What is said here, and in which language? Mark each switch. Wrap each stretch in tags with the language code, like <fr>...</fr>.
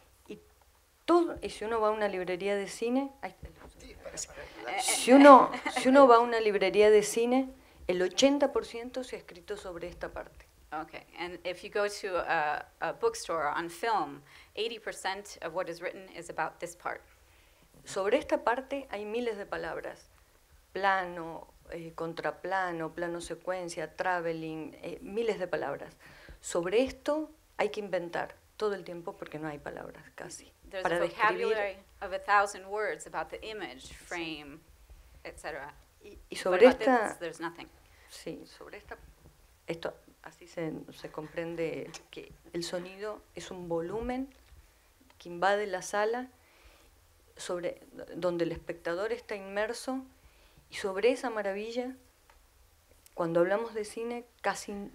<es>Y si uno va a una librería de cine, si uno va a una librería de cine, el 80% se ha escrito sobre esta parte.</es> <en>Okay, and if you go to a bookstore on film, 80% of what is written is about this part.</en> <es>Sobre esta parte hay miles de palabras: plano, contraplano, plano secuencia, traveling, miles de palabras. Sobre esto hay que inventar todo el tiempo porque no hay palabras casi.</es> <en>There's a vocabulary of 1,000 words about the image, frame, etc.</en> <es>Y sobre</es> <en>but</en> <es>esta,</es> <en>this, there's nothing.</en> <es>Sí, sobre esta, esto así se comprende que el sonido es un volumen que invade la sala, sobre donde el espectador está inmerso, y sobre esa maravilla, cuando hablamos de cine, casi.</es>